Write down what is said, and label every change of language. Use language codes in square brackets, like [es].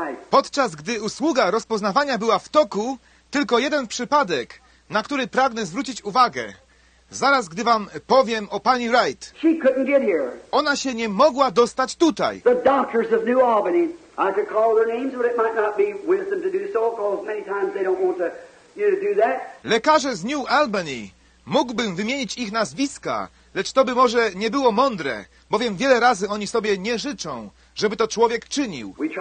[pl] Podczas gdy usługa rozpoznawania była w toku, tylko jeden przypadek, na który pragnę zwrócić uwagę. Zaraz gdy wam powiem o pani Wright. [en] She couldn't get here. [pl] Ona się nie mogła dostać tutaj. [en] The doctors of New Albany, I could call their names, but it might not be wisdom to do so, because many times they don't want you to do that. [pl] Lekarze z New Albany, mógłbym wymienić ich nazwiska, lecz to by może nie było mądre, bowiem wiele razy oni sobie nie życzą, żeby to człowiek czynił.